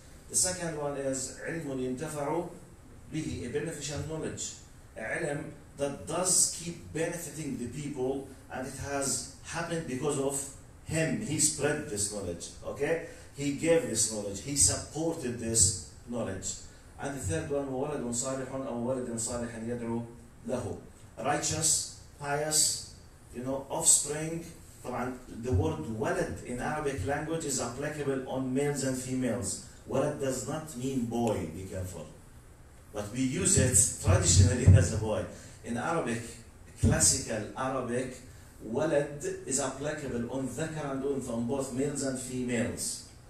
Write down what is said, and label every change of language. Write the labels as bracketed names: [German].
[English] The second one is [Arabic] عِلْمٌ يَنْتَفَعُ بِهِ, [English] a beneficial knowledge. A ilm that does keep benefiting the people, and it has happened because of him. He spread this knowledge, okay? He gave this knowledge. He supported this knowledge. And the third one, [Arabic] وَوَلَدٌ صَالِحٌ أَوْ وَلَدٍ صَالِحٍ يَدْعُ لَهُ. [English] Righteous, pious, you know, offspring. The word walad in Arabic language is applicable on males and females. Walad does not mean boy, be careful. But we use it traditionally as a boy. In Arabic, classical Arabic, walad is applicable on dhakar and untha, on both males and females.